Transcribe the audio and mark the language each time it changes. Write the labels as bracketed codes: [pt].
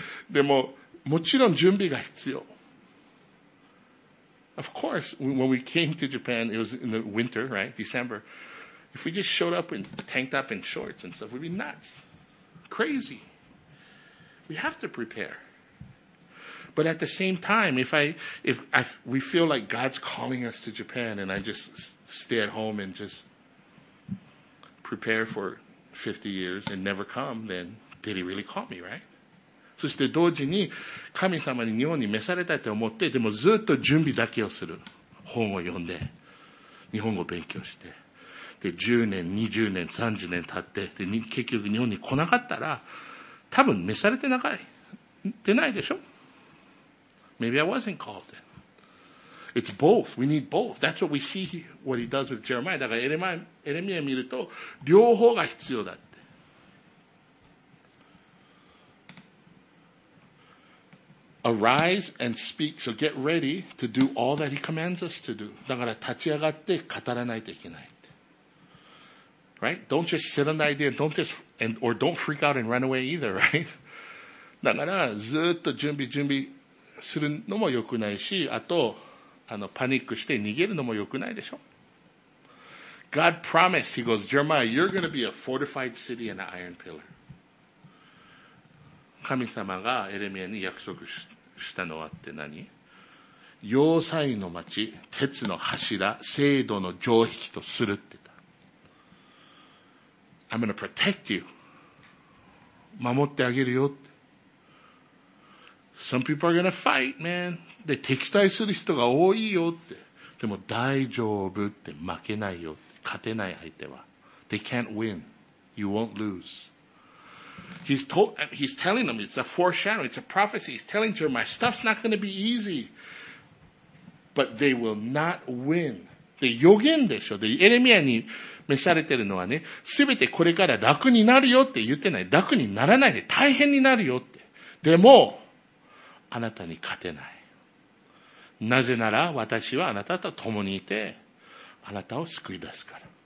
[ja] でももちろん準備が必要。 [en] Of course, when we came to Japan, it was in the winter, right? December. If we just showed up and tanked up in shorts and stuff, we'd be nuts, crazy. We have to prepare. But at the same time, if we feel like God's calling us to Japan, and I just stay at home and just prepare for 50 years and never come, then did he really call me, right? [ja] そして同時に神様に日本に召されたいと思って、でもずっと準備だけをする。本を読んで、日本語勉強して。で、10年、20年、30年経って、で、結局日本に来なかったら、多分召されてなかい。出ないでしょ？ [en] Maybe I wasn't called. It's both. We need both. That's what we see here, what he does with Jeremiah. [ja] だからエレミア見ると、両方が必要だって。 [en] Arise and speak. So get ready to do all that he commands us to do. [ja] だから立ち上がって語らないといけないって。 [en] Right? Don't just sit on the idea. Don't freak out and run away either, right? [ja] だからずっと準備するのも良くないし、あと、パニックして逃げるのも良くないでしょ。 [en] God promised, he goes, Jeremiah, you're going to be a fortified city and an iron pillar. [ja] 神様がエレミアに約束したのはって何？要塞の町、鉄の柱、聖堂の城壁とするって言った。 [en] I'm going to protect you. [ja] 守ってあげるよって。 [en] Some people are going to fight, man. [ja] で、敵対する人が多いよって。でも大丈夫って負けないよって。勝てない相手は。 [en] They can't win. You won't lose. He's telling them, it's a foreshadow, it's a prophecy. He's telling them, my stuff's not going to be easy. But they will not win. [ja] で、予言でしょ。で、エレミアに召されてるのはね、すべてこれから楽になるよって言ってない。楽にならないで、大変になるよって。でも、あなたに勝てない。なぜなら私はあなたと共にいてあなたを救い出すから。